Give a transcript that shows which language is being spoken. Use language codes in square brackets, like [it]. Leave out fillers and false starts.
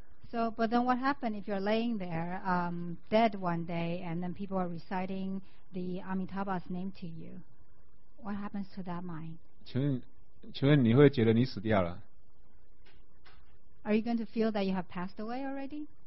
[en] So, but then what happened if you're laying there, dead one day, and then people are reciting the Amitabha's name to you? What happens to that mind? [zh] 请问你会觉得你死掉了 [en] ？Are you going to feel that you have passed away already?